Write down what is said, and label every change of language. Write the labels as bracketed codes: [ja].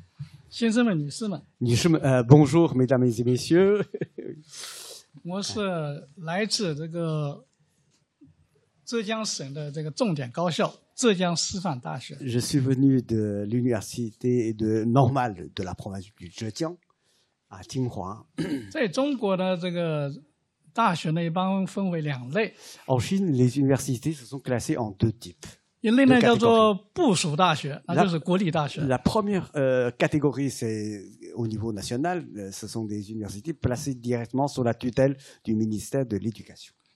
[zh] 他对于我们这个历史文化研讨班的这个回顾展望，先生们、女士们， [fr] bonjour mesdames et messieurs， [zh] 我是来自这个浙江省的这个重点高校浙江师范大学。Je [fr] suis venu de l'université de normale de la province du Zhejiang。 [zh] 啊，精华。在中国呢，这个大学呢一般分为两类。 [fr] En Chine, les universités se sont classées en deux types. [zh] 一类呢叫做部属大学，那就是国立大学。La [fr] première catégorie, c'est au niveau national, ce sont des universités placées directement sous la tutelle du ministère de l'Éducation.